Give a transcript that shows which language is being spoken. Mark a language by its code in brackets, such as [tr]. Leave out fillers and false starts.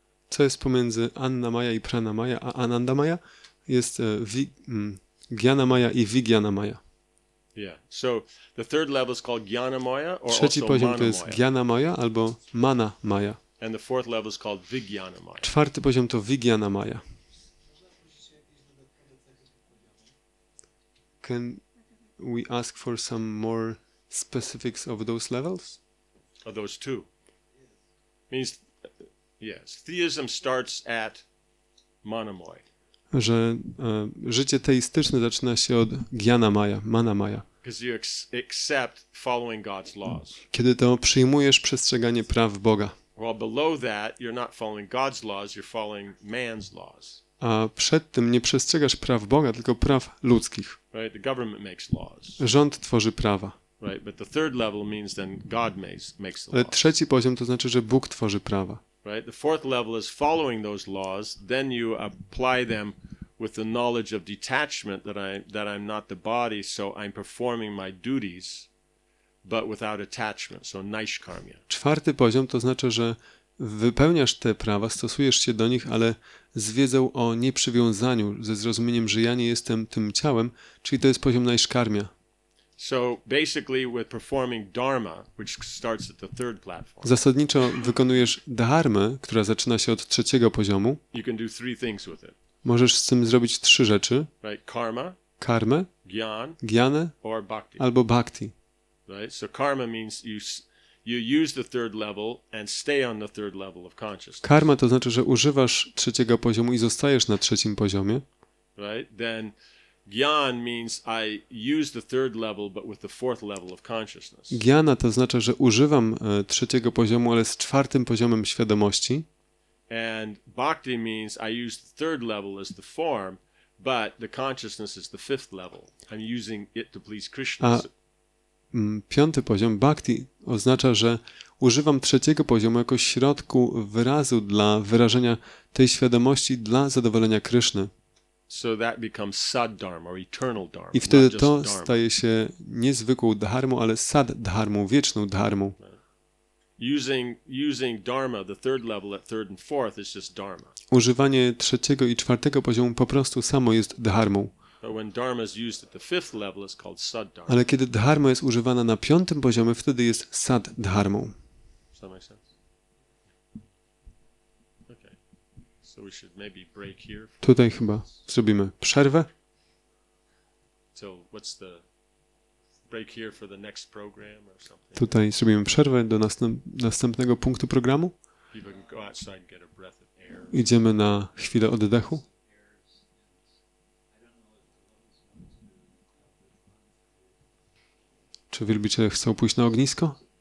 [pl] Co jest pomiędzy Annamaya i Pranamaya, a Anandamaya jest Gyanamaya i Vijnanamaya. [en] Yeah. So the third level is called Gyanamaya or [pl] trzeci [en] also Manamaya. [pl] To jest Gyanamaya albo Manamaya. [en] And the fourth level is called Vijnanamaya. [pl] Czwarty poziom to Vijnanamaya. [en] Can we ask for some more specifics of those levels? Of those two. Means yes, theism starts at Manamoy. [pl] Że życie teistyczne zaczyna się od Gyanamaya, Manamaya. [en] Because you accept following God's laws. [pl] Kiedy to przyjmujesz przestrzeganie praw Boga. [en] Well, below that, you're not following God's laws, you're following man's laws. [pl] A przed tym nie przestrzegasz praw Boga, tylko praw ludzkich. [en] Right, the government makes laws. [pl] Rząd tworzy prawa. [en] Right, but the third level means then God makes the laws. [pl] Ale trzeci poziom to znaczy, że Bóg tworzy prawa. [en] Right, the fourth level is following those laws, then you apply them with the knowledge of detachment that I'm not the body, so I'm performing my duties, but without attachment, so naishkarmya. [pl] Czwarty poziom to znaczy, że wypełniasz te prawa, stosujesz się do nich, ale z wiedzą o nieprzywiązaniu, ze zrozumieniem, że ja nie jestem tym ciałem, czyli to jest poziom naishkarmya. [en] So basically with performing dharma, which starts at the third platform. [pl] Zasadniczo wykonujesz dharmę, która zaczyna się od trzeciego poziomu. [en] You can do three things with it. [pl] Możesz z tym zrobić trzy rzeczy. [en] Right, karma. [pl] Karmę. [en] Gyanę. Or bhakti. [pl] Albo bhakti. [en] Right, so karma means you use the third level and stay on the third level of consciousness. [pl] Karma to znaczy, że używasz trzeciego poziomu i zostajesz na trzecim poziomie. [en] Right, then Gyan means I use the third level, but with the fourth level of consciousness. [pl] Gyana to znaczy, że używam trzeciego poziomu, ale z czwartym poziomem świadomości. [en] And bhakti means I use the third level as the form, but the consciousness is the fifth level. I'm using it to please Krishna. [pl] A piąty poziom bhakti oznacza, że używam trzeciego poziomu jako środku wyrazu dla wyrażenia tej świadomości dla zadowolenia Kryszny. [en] So that becomes sad dharma or eternal dharma. [pl] I wtedy to staje się niezwykłą dharmą, ale sad dharmą, wieczną dharmą. [en] Using dharma, the third level at third and fourth is just dharma. [pl] Używanie trzeciego i czwartego poziomu po prostu samo jest dharmą. [en] But when dharma is used at the fifth level, it's called sad dharma. [pl] Ale kiedy dharma jest używana na piątym poziomie, wtedy jest sad dharmą. [en] Does that make sense? Okay. So we should maybe break here. [pl] Tutaj chyba zrobimy przerwę. [en] So what's the break here for the next program or something? [pl] Tutaj zrobimy przerwę do następnego punktu programu. [en] People can go outside and get a breath of air. [pl] Idziemy na chwilę oddechu. Czy wielbiciele chcą pójść na ognisko?